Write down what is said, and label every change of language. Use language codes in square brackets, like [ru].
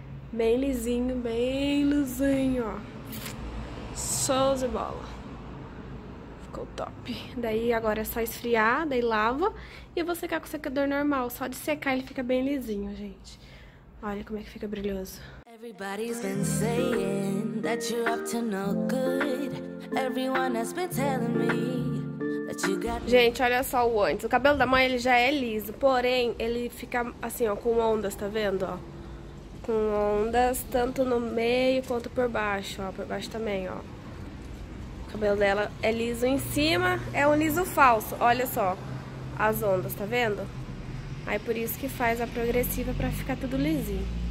[pt] Bem lisinho, bem lisinho, ó. Show de bola. Ficou top. Daí agora é só esfriar, daí lava. E eu vou secar com secador normal. Só de secar ele fica bem lisinho, gente. Olha como é que fica brilhoso. [en] Everybody's been saying that you're up to no good. Everyone has been telling me that you got. [pt] Gente, olha só o antes. O cabelo da mãe, ele já é liso, porém, ele fica assim, ó, com ondas, tá vendo, ó? Com ondas, tanto no meio quanto por baixo, ó. Por baixo também, ó. O cabelo dela é liso em cima, é um liso falso. Olha só as ondas, tá vendo? Aí por isso que faz a progressiva pra ficar tudo lisinho.